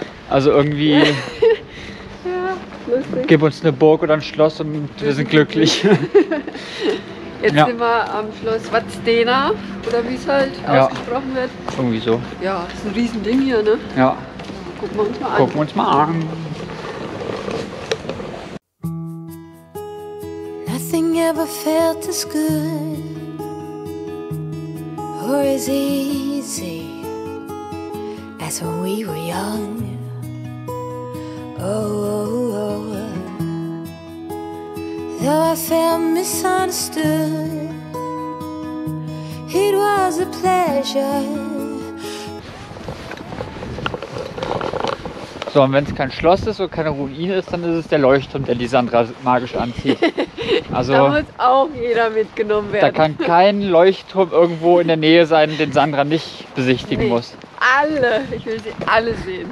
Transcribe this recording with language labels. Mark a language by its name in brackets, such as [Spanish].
[German] Also irgendwie... Lustig. Gib uns eine Burg oder ein Schloss und wir sind glücklich. Jetzt sind wir am Schloss Vadstena, oder wie es halt ausgesprochen wird. Irgendwie so. Ja, ist ein Riesending hier, ne? Ja. Gucken wir uns mal an. [English] Nothing ever felt as good or as easy as when we were young. Oh, oh, oh. Though I felt misunderstood, it was a pleasure. [German] So, und wenn es kein Schloss ist oder keine Ruine ist, dann ist es der Leuchtturm, der die Sandra magisch anzieht. Also, da muss auch jeder mitgenommen werden. Da kann kein Leuchtturm irgendwo in der Nähe sein, den Sandra nicht besichtigen muss. Alle. Ich will sie alle sehen.